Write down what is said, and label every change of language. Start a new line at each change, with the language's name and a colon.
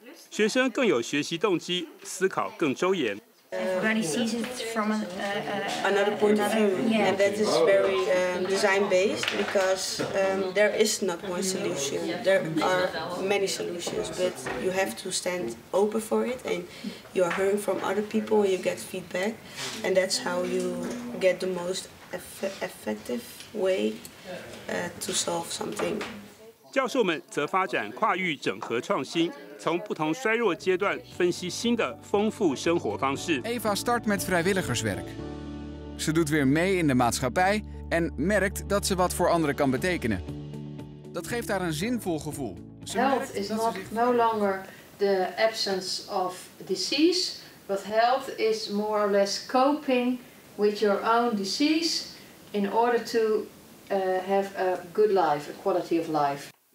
Chinese: 学生更有学习动机，思考更周延。
English: Everybody sees it from another point of view, yeah. And that is very design-based, because there is not one solution. There are many solutions, but you have to stand open for it, and you are hearing from other people, you get feedback, and that's how you get the most effective way to solve something.
Chinese: 教授们则发展跨域整合创新，从不同衰弱阶段分析新的丰富生活方式。
Dutch: Eva start met vrijwilligerswerk. Ze doet weer mee in de maatschappij en merkt dat ze wat voor anderen kan betekenen. Dat geeft haar een zinvol gevoel.
English: Health is not no longer the absence of disease, but health is more or less coping with your own disease in order to have a good life, a quality of life.